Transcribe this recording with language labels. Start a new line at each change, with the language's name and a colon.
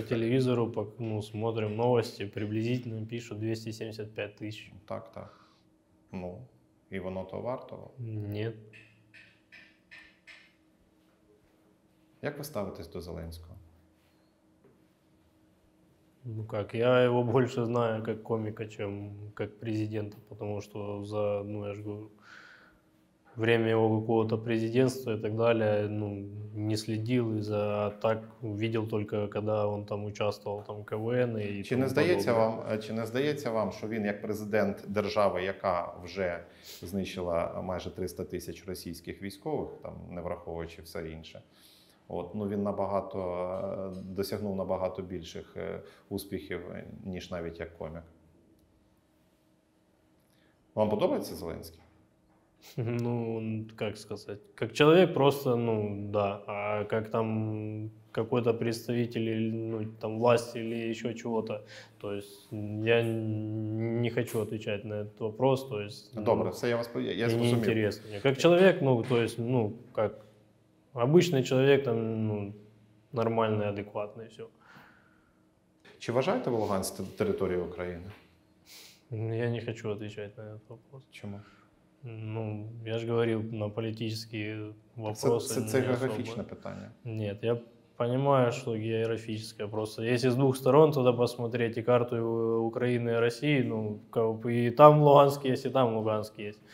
Ukrainian: По телевізору, ну, смотримо новості, приблизно пишуть 275 тисяч. Так, так. Ну, і воно то варто? Ні. Як ви ставитесь до Зеленського?
Russian: Ну как, я его больше знаю как комика, чем как президента, потому что за, ну я ж говорю, время его какого-то президентства и так далее, ну, не следил, а так видел только, когда он там участвовал, там, КВН и тому подобное.
Ukrainian: Чи не здається вам, що він як президент держави, яка вже знищила майже 300 тисяч російських військових, там, не враховуючи все інше, от, ну, він набагато, досягнув набагато більших успіхів, ніж навіть як комік? Вам подобається Зеленський?
Russian: Ну, как сказать, как человек просто, ну, да, а как там какой-то представитель, ну, там, власти или еще чего-то, то есть я не хочу отвечать на этот вопрос, то есть... Добре, ну, все, я вас понял, я неинтересно мне. Как человек, ну, то есть, ну, как обычный человек, там, ну, нормальный, адекватный, все.
Ukrainian: Чи вважаете вы Луганск территорией Украины?
Russian: Я не хочу отвечать на этот вопрос. Чему?
Ukrainian: Ну, я ж говорив на політичні вопроси. Це географічне особо. Питання. Ні, я розумію, що географічне. Просто якщо з двох сторон туди посмотреть і карту України і Росії, ну, і там Луганськ є, і там Луганськ є.